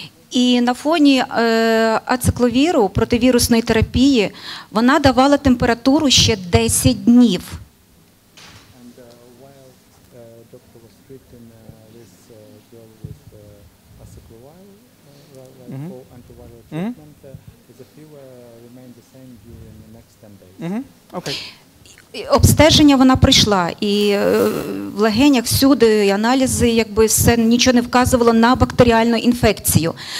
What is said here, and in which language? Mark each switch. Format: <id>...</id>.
<uk>І на фоні ацикловіру, противірусної терапії, вона давала температуру ще 10 днів.</uk> <en>And while doctor was treating this girl with acyclovir, for antiviral treatment, the fever remained the same during the next 10 days. Okay.</en> <uk>Обстеження вона прийшла, і в легенях всюди, і аналізи, якби все, нічого не вказувало на бактеріальну інфекцію.</uk>